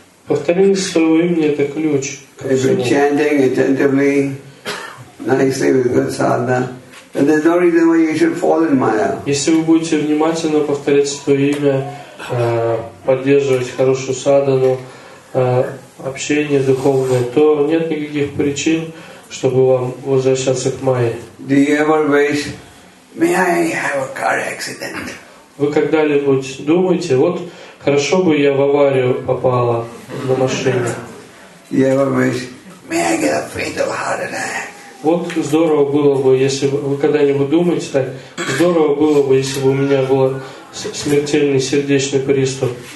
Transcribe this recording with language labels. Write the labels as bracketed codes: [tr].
[ru] Повторение своего имени — это ключ. [en] If you're chanting attentively, nicely with good sadhana, And there's no reason why you should fall in Maya. [ru] Если вы будете внимательно повторять свое имя, поддерживать хорошую садхану, общение духовное, то нет никаких причин, чтобы вам возвращаться к Майе. [en] Do you ever wish, may I have a car accident? [ru] Вы когда-нибудь думаете, вот хорошо бы я в аварию попала на машине? [en] Do you ever wish, may I get a fatal heart attack? [ru] Вот здорово было бы, если бы вы когда-нибудь думаете так, здорово было бы, если бы у меня был смертельный сердечный приступ.